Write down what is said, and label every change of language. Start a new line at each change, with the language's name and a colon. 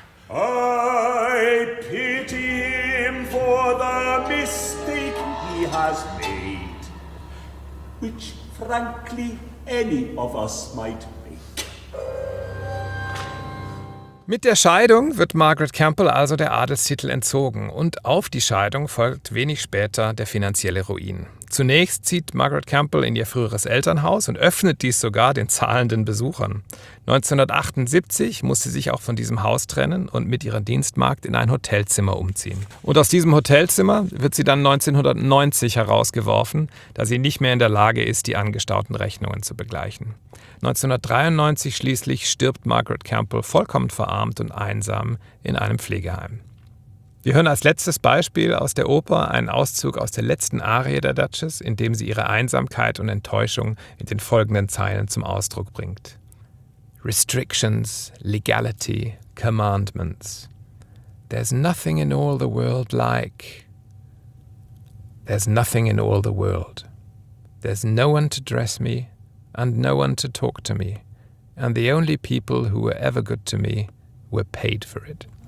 English: I pity him for the mistake he has made, which, frankly, any of us might make.
German: Mit der Scheidung wird Margaret Campbell also der Adelstitel entzogen und auf die Scheidung folgt wenig später der finanzielle Ruin. Zunächst zieht Margaret Campbell in ihr früheres Elternhaus und öffnet dies sogar den zahlenden Besuchern. 1978 muss sie sich auch von diesem Haus trennen und mit ihrer Dienstmagd in ein Hotelzimmer umziehen. Und aus diesem Hotelzimmer wird sie dann 1990 herausgeworfen, da sie nicht mehr in der Lage ist, die angestauten Rechnungen zu begleichen. 1993 schließlich stirbt Margaret Campbell vollkommen verarmt und einsam in einem Pflegeheim. Wir hören als letztes Beispiel aus der Oper einen Auszug aus der letzten Arie der Duchess, in dem sie ihre Einsamkeit und Enttäuschung in den folgenden Zeilen zum Ausdruck bringt.
English: Restrictions, legality, commandments. There's nothing in all the world like. There's nothing in all the world. There's no one to dress me and no one to talk to me. And the only people who were ever good to me were paid for it.